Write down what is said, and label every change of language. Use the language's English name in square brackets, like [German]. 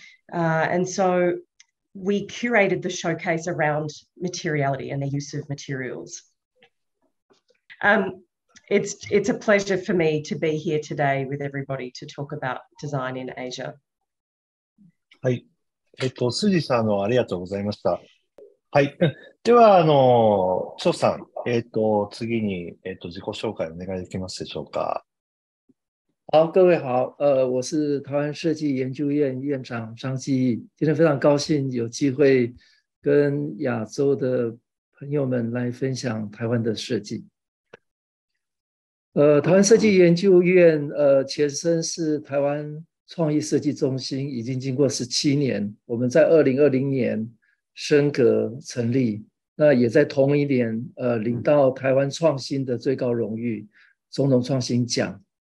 [English] And so we curated the showcase around materiality and the use of materials. It's a pleasure for me to be here today with everybody to talk about design in Asia. [Japanese] はい。スジさん、ありがとうございました。はい。では、チョさん、次に、自己紹介お願いできますでしょうか。 [Chinese] 好，各位好，我是台湾设计研究院院长张基毅，今天非常高兴有机会跟亚洲的朋友们来分享台湾的设计。台湾设计研究院，前身是台湾创意设计中心，已经经过17年，我们在2020年升格成立，那也在同一年，领到台湾创新的最高荣誉，中农创新奖。